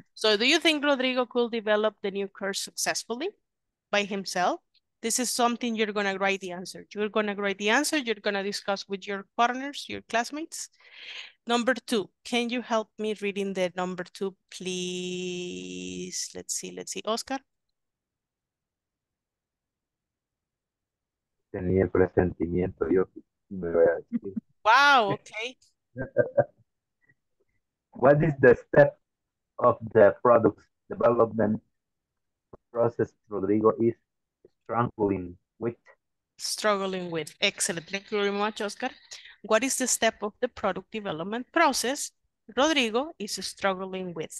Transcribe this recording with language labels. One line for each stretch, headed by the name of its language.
English: So do you think Rodrigo could develop the new course successfully by himself? This is something you're going to write the answer. You're going to discuss with your partners, your classmates. Number 2, can you help me reading the number 2, please? Let's see, Oscar.
Spanish: Tenía el presentimiento, yo me voy a decir.
English: Wow, okay. What is the step of the product development process Rodrigo is struggling with? Excellent. Thank you very much, Oscar. What is the step of the product development process Rodrigo is struggling with?